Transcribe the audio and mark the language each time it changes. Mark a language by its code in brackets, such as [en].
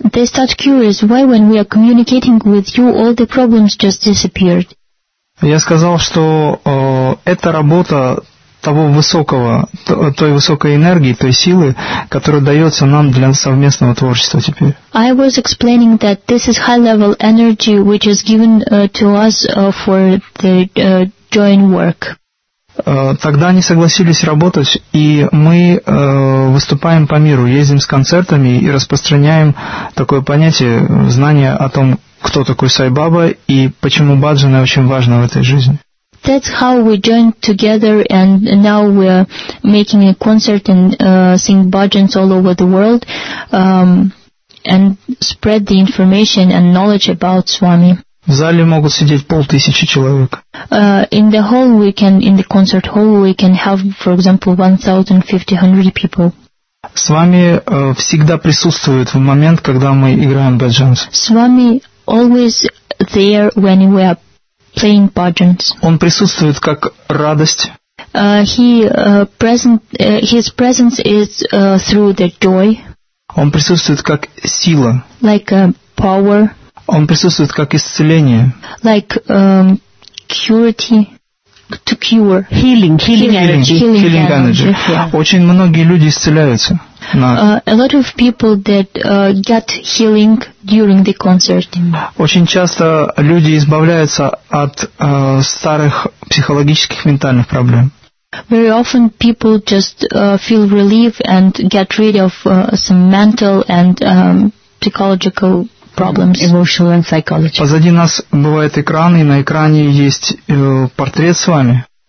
[en] They start curious why when we are communicating with you, all the problems just disappeared. [ru] Я сказал, что эта работа того высокого, той высокой энергии, той силы, которая дается нам для совместного творчества теперь. [en] I was explaining that this is high level energy which is given to us for the joint work. [ru] Тогда они согласились работать, и мы выступаем по миру, ездим с концертами и распространяем такое понятие, знание о том, кто такой Сай Баба и почему баджаны очень важны в этой жизни. [en] That's how we joined together, and now we're making a concert and sing bhajans all over the world, and spread the information and knowledge about Swami. [ru] В зале могут сидеть 500 человек. [en] In the hall we can, in the concert hall we can have, for example, 1,500 people. [ru] Swami всегда присутствует в момент, когда мы играем bhajans. [en] Swami always there when we are playing bhajans. [ru] Он присутствует как радость. [en] His presence is through the joy. [ru] Он присутствует как сила. [en] Like a power. [ru] Он присутствует как исцеление. [en] Like curity. To cure. Healing energy. [ru] Очень многие люди исцеляются. [en] A lot of people that get healing during the concert. [ru] Очень часто люди избавляются от старых психологических ментальных проблем. [en] Very often people just feel relief and get rid of some mental and psychological problems, emotional and psychological. [ru] Позади нас бывает экран, и на экране есть портрет с вами.